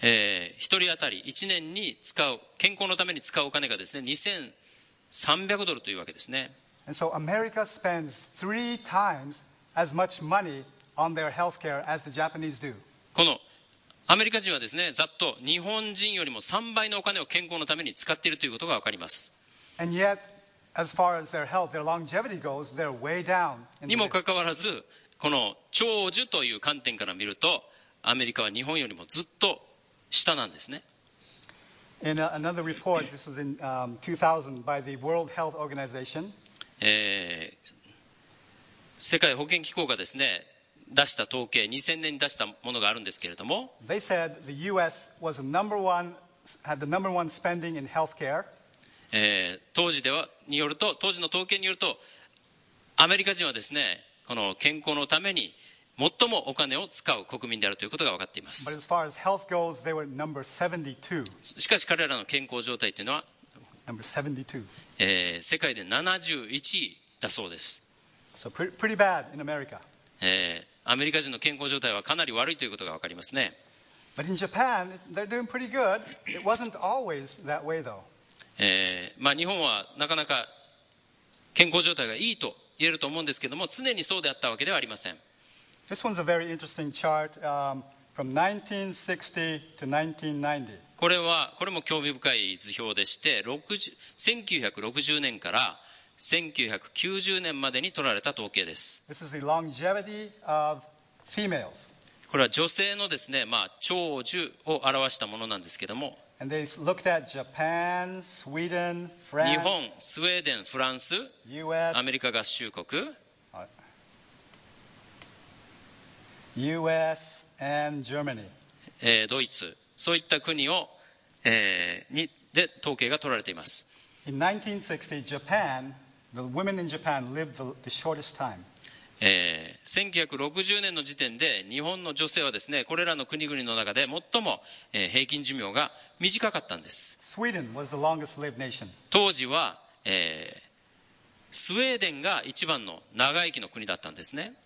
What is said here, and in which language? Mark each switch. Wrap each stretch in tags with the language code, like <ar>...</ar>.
<ja>1人当たり1年に使う健康のために使うお金がですね、$2,300というわけですね。</ja> <en>And so America spends three times as much moneyOn their healthcare as the Japanese do.</en> <ja>このアメリカ人はですね、ざっと日本人よりも3倍のお金を健康のために使っているということがわかります。にもかかわらず、この長寿という観点から見るとアメリカは日本よりもずっと下なんですね。</ja> <en>In another report, this was in 2000 by the World Health Organization.</en> <ja>世界保健機構がですね、出した統計、2000年に出したものがあるんですけれども、</ja> <en>They said the US was the number one spending in healthcare.</en> <ja>当時ではによると、当時の統計によると、アメリカ人はですね、この健康のために最もお金を使う国民であるということが分かっています。</ja> <en>But as far as health goes, they were number 72.</en> <ja>しかし彼らの健康状態というのは</ja> <en>number 72.</en> <ja>世界で71位だそうです。</ja> <en>So pretty bad in America.</en> <ja>アメリカ人の健康状態はかなり悪いということが分かりますね。</ja> <en>But in Japan, they're doing pretty good. It wasn't always that way though.</en> <ja>まあ、日本はなかなか健康状態がいいと言えると思うんですけども、常にそうであったわけではありません。</ja> <en>This one's a very interesting chart, from 1960 to 1990.</en> <ja>これも興味深い図表でして、1960年から1990年までに取られた統計です。</ja> <en>This is the longevity of females.</en> <ja>これは女性のですね、まあ、長寿を表したものなんですけども、</ja> <en>And they looked at Japan, Sweden,</en> <ja>France, 日本、スウェーデン、フランス、</ja> <en>US、</en> <ja>アメリカ合衆国、</ja> <en>US and Germany.</en> <ja>ドイツ、そういった国を、で統計が取られています。</ja> <en>In 1960, Japan, the women in Japan lived the shortest time.</en> <ja>1960年の時点で日本の女性はですね、これらの国々の中で最も、平均寿命が短かったんです。</ja> <en>Sweden was the longest lived nation.</en> <ja>当時は、スウェーデンが一番の長生きの国だったんですね。</ja>